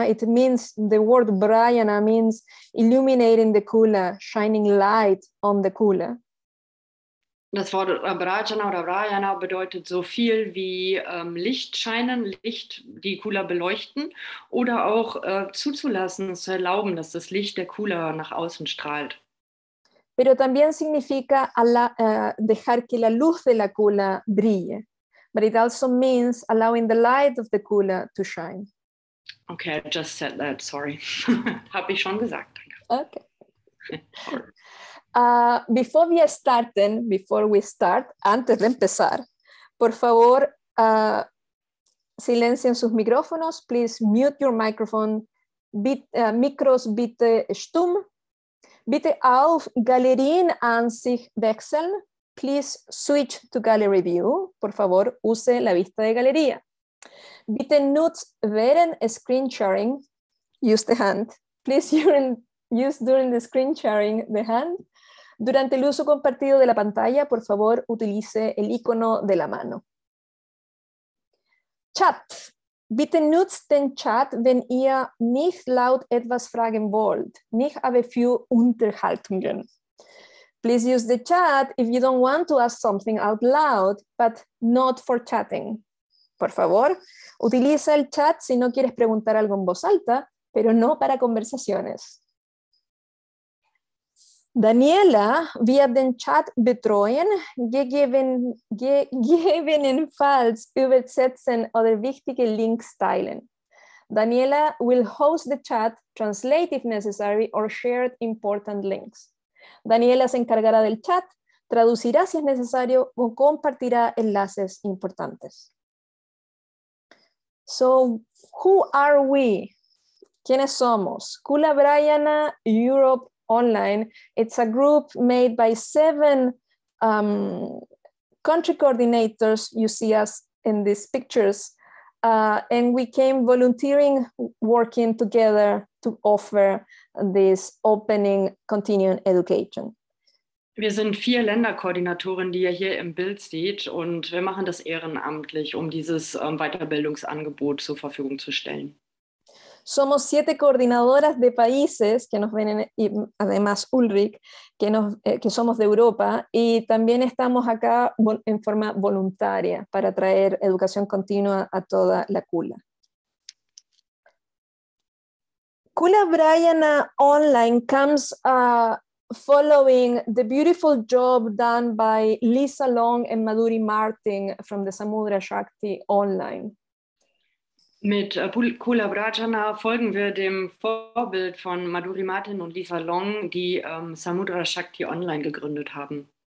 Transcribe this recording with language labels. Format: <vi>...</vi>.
<en>It means, the word Bhrājana means illuminating the Kula, shining light on the Kula.</en> <de>Das Wort Bhrājana oder Bhrājana bedeutet so viel wie Licht scheinen, Licht, die Kula beleuchten oder auch zuzulassen, zu erlauben, dass das Licht der Kula nach außen strahlt.</de> <es>Pero también significa dejar que la luz de la Kula brille.</es> <en>But it also means allowing the light of the Kula to shine. Okay, I just said that, sorry.</en> <de>Habe ich schon gesagt.</de> <en>Okay. Before we start,</en> <es>antes de empezar, por favor, silencien sus micrófonos.</es> <en>Please mute your microphone.</en> <de>Mikros bitte stumm. Bitte auf Galerien an sich wechseln.</de> <en>Please switch to gallery view.</en> <es>Por favor, use la vista de galería.</es> <de>Bitte nutz während</de> <en>screen sharing. Use the hand. Please use during the screen sharing the hand.</en> <es>Durante el uso compartido de la pantalla, por favor, utilice el icono de la mano.</es> <en>Chat.</en> <de>Bitte nutzt den Chat, wenn ihr nicht laut etwas fragen wollt. Nicht aber für Unterhaltungen.</de> <en>Please use the chat if you don't want to ask something out loud, but not for chatting.</en> <es>Por favor, utiliza el chat si no quieres preguntar algo en voz alta, pero no para conversaciones.</es> <de>Daniela, wir den Chat betreuen, gegebenenfalls übersetzen oder wichtige Links teilen.</de> <en>Daniela will host the chat, translate if necessary, or share important links.</en> <es>Daniela se encargará del chat, traducirá si es necesario o compartirá enlaces importantes.</es> <en>So, who are we?</en> <es>¿Quiénes somos?</es> <en>Kula-bhrājana Europe Online. It's a group made by 7 country coordinators. You see us in these pictures, and we came volunteering, working together to offer this opening continuing education.</en> <de>Wir sind 4 Länderkoordinatoren, die ihr hier im Bild seht, und wir machen das ehrenamtlich, um dieses Weiterbildungsangebot zur Verfügung zu stellen.</de> <es>Somos 7 coordinadoras de países que nos ven, y además Ulrich, que somos de Europa, y también estamos acá en forma voluntaria para traer educación continua a toda la Kula.</es> <en>Kula-bhrājana Online comes following the beautiful job done by Lisa Long and Maduri Martin from the Samudra Shakti Online.</en> <de>Mit Kula-bhrājana folgen wir dem Vorbild von Maduri Martin und Lisa Long, die Samudra Shakti Online gegründet haben.</de>